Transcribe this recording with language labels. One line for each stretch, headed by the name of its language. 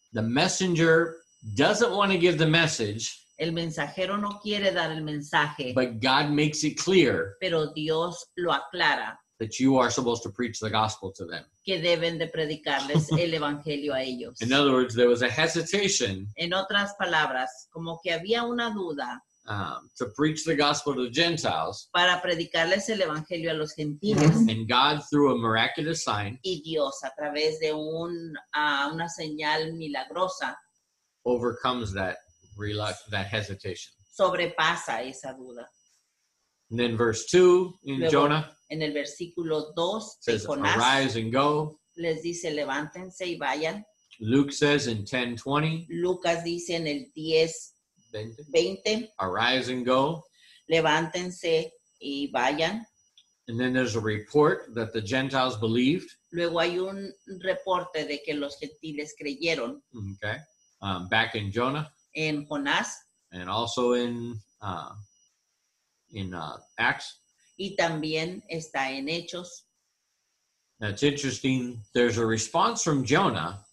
English: The messenger doesn't want to give the message.
Spanish: El mensajero no quiere dar el mensaje.
English: But God makes it clear.
Spanish: Pero Dios lo aclara.
English: That you are supposed to preach the gospel to them.
Spanish: Que deben de predicarles el evangelio a ellos.
English: In other words, there was a hesitation.
Spanish: En otras palabras, como que había una duda.
English: To preach the gospel to the Gentiles.
Spanish: Para predicarles el evangelio a los gentiles.
English: And God, through a miraculous sign.
Spanish: Y Dios, a través de una señal milagrosa.
English: Overcomes that hesitation.
Spanish: Sobrepasa esa duda.
English: And then verse 2 in
Spanish: luego,
English: Jonah.
Spanish: En el versículo 2 de Jonás.
English: Says, arise and go.
Spanish: Les dice, levántense y vayan.
English: Luke says in 10:20.
Spanish: Lucas dice en el 10:20.
English: Arise and go.
Spanish: Levántense y vayan.
English: And then there's a report that the Gentiles believed.
Spanish: Luego hay un reporte de que los gentiles creyeron.
English: Okay. Back in Jonah.
Spanish: En Jonás.
English: And also in Acts.
Spanish: Y también está en Hechos.
English: That's interesting. There's a response from Jonah.